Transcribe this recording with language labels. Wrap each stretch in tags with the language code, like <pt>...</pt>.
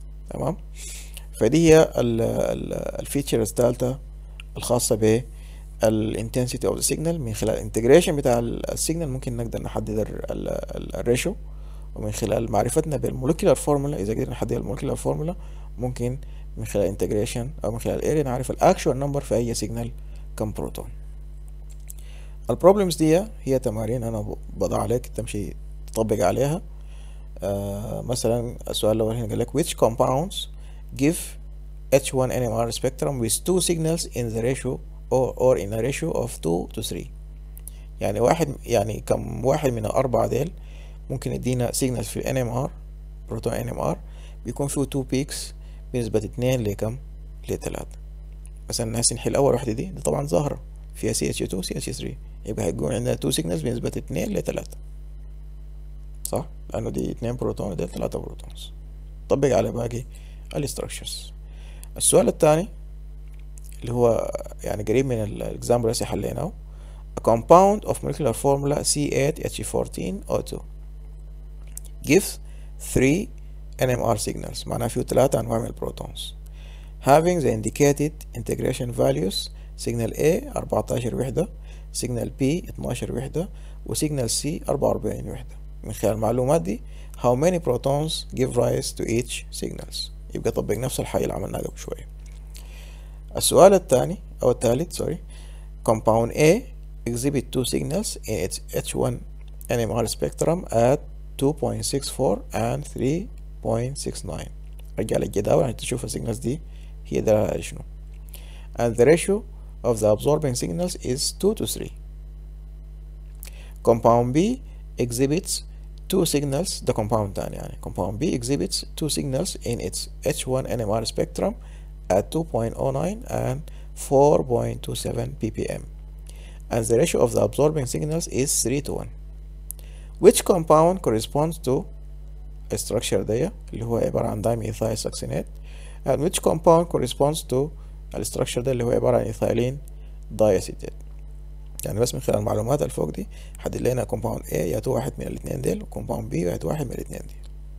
<ar>تمام. فدي هي الفيتشر الثالثه الخاصه ب الانتنسيتي اوف ذا سيجنال، من خلال الانتجريشن بتاع السيجنال ممكن نقدر نحدد الريشو، ومن خلال معرفتنا بالمولكيولار فورمولا اذا قدرنا نحدد المولكيولار فورمولا ممكن من خلال انتجريشن او من خلال الاريا نعرف الاكشوال نمبر في اي سيجنال كم بروتون. البروبلمز دي هي تمارين انا بضع عليك تمشي تطبق عليها. مثلا السؤال اللي هو هنا قال لك</ar> <en>which compounds give H1 NMR spectrum with two signals in the ratio or in a ratio of 2 to 3.</en> <ar>يعني واحد يعني كم واحد من الأربعة ديل ممكن يدينا سيجنال في ان ام ار بروتون ان ام ار بيكون فيه 2 بيكس بنسبة 2 لكم ل 3. مثلا الناس نحل اول واحدة دي طبعا ظاهرة فيها سي اتش 2 سي اتش 3، يبقى هيكون عندنا 2 سيجنالز بنسبة 2 ل 3 صح، لانه دي 2 بروتون ودي 3 بروتونز. طبق على باقي الاستراكشرز.</ar> <en>السؤال الثاني اللي هو يعني قريب من الاكزامبل اللي حليناه، A compound of molecular formula C8H14O2 gives 3 NMR signals،</en> <ar>معناها فيه 3 انواع من البروتونز،</ar> <en>having the indicated integration values signal A 14 وحدة، signal B 12 وحدة، و signal C 44 وحدة.</en> <ar>من خلال المعلومات دي</ar> <en>how many protons give rise to each signals.</en> <ar>يبقى طبق نفس الحي اللي عملناه قبل شوية. السؤال الثاني او الثالث</ar> <en>sorry، compound A exhibit two signals in its H1 NMR spectrum at 2.64 and 3.69.</en> <ar>رجع للجداول عشان تشوف السيجنالز دي هي دلالة على شنو.</ar> <en>And the ratio of the absorbing signals is 2 to 3. Compound B exhibits two signals, the compound</en> <ar>تاني يعني.</ar> <en>Compound B exhibits two signals in its H1 NMR spectrum at 2.09 and 4.27 ppm. And the ratio of the absorbing signals is 3 to 1. Which compound corresponds to a structure there</en> <ar>اللي هو عبارة عن</ar> <en>dimethyl succinate, and which compound corresponds to a structure there اللي هو عبارة عن ethylene diacetate.</en> <ar>يعني بس من خلال المعلومات الفوق دي حدد لنا compound A يعطي واحد من الاثنين ديل، و compound B يعطي واحد من الاثنين ديل.</ar>